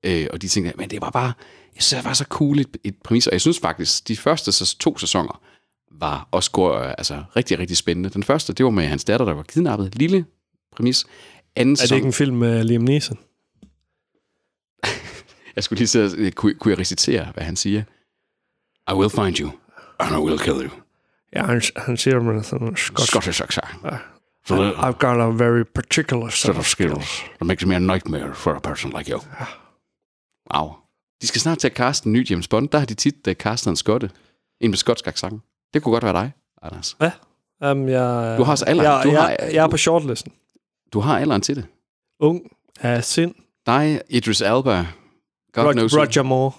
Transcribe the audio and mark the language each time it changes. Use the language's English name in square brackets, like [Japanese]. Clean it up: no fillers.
[Danish] Og de tænkte, men det var bare, jeg synes, det var så cool et præmis. Og jeg synes faktisk, de første 2 sæsoner var også altså, rigtig, rigtig spændende. Den første, det var med hans datter, der var kidnappet. Lille præmis. Anden sæson... Er det ikke en film med Liam Neeson? Jeg skulle lige sige, kunne jeg recitere, hvad han siger? [English] I will find you, and I will kill you. [Danish] Ja, han siger med sådan en [English] Scottish accent. So I've got a very particular set of skills that makes me a nightmare for a person like you. [Danish] Wow. De skal snart til at kaste en ny James Bond. Der har de tit kastet en skotte. En med skotsk accent. Det kunne godt være dig, Anders. Ja. Du har også alderen. Jeg er på shortlisten. Du har alderen til det. Ung af sind. Dig, Idris Elba. Roger Moore.